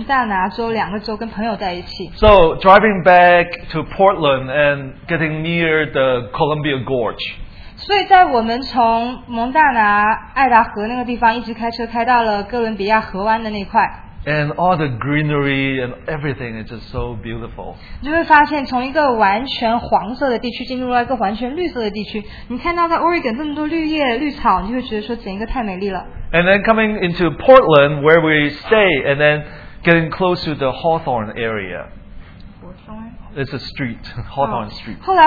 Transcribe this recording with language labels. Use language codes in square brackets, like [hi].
[zh] 我们六月份的时候其实就来美国了。我们第一个礼拜是在爱达荷州和蒙大拿州两个州跟朋友在一起。 [en] So, driving back to Portland and getting near the Columbia Gorge. [zh] 所以在我们从蒙大拿爱达荷那个地方一直开车开到了哥伦比亚河湾的那块。 [en] And all the greenery and everything is just so beautiful. [zh] 你就会发现从一个完全黄色的地区进入了一个完全绿色的地区，你看到在Oregon这么多绿叶绿草，你就会觉得说整个太美丽了。 [en] And then coming into Portland where we stay and then getting close to the Hawthorne area. It's a street, Hawthorne Street.